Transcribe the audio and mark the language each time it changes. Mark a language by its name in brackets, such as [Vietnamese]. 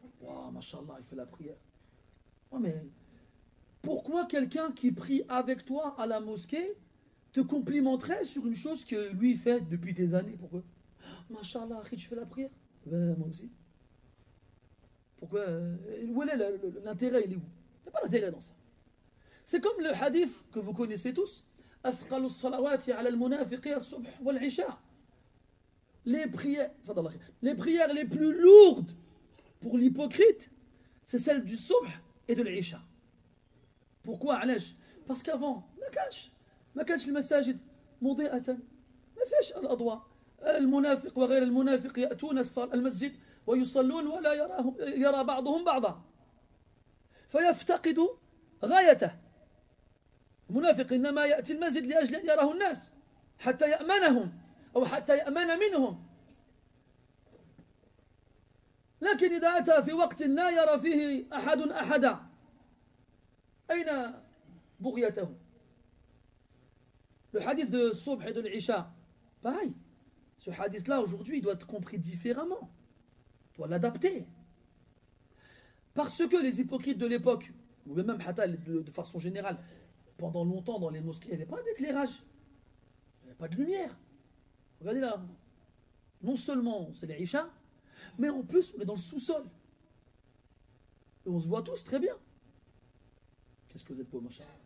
[French] Waouh, mashallah, il fait la prière. Oh, mais pourquoi quelqu'un qui prie avec toi à la mosquée te complimenterait sur une chose que lui fait depuis des années? Pourquoi? Mashallah, tu fais la prière? Ben, moi aussi. Pourquoi? Où est l'intérêt? Il est où? Il n'y a pas d'intérêt dans ça. C'est comme le hadith que vous connaissez tous. [Arabic] أثقل الصلوات على المنافقين الصبح والعشاء. [French] Les prières, les prières les plus lourdes pour l'hypocrite, c'est celle du subh et de l'isha. Pourquoi? Parce qu'avant, [Arabic] ma kach le masajid, mudi atan, ma fesh al adwa, al munafiq wa ghayr al munafiq yatoun al masjid wa yusallun wa la yara ba'dhum ba'dha. Fayaftaqidu ghayatah. Le munafiq innama yati al masjid li ajli an yarahu an nas, hatta ya'manahum. أو حتى يأمن منهم. لكن إذا أتى في وقت لا يرى فيه أحد أحدا أين بغيته؟ [French] Le hadith de Subh et de l'Isha, pareil. Ce hadith-là aujourd'hui doit être compris différemment. Doit l'adapter. Parce que les hypocrites de l'époque, ou même hatta de façon générale, pendant longtemps dans les mosquées, il n'y avait pas d'éclairage. Il n'y avait pas de lumière. Regardez là, non seulement c'est les Isha, mais en plus on est dans le sous-sol. Et on se voit tous très bien. Qu'est-ce que vous êtes beau, machin.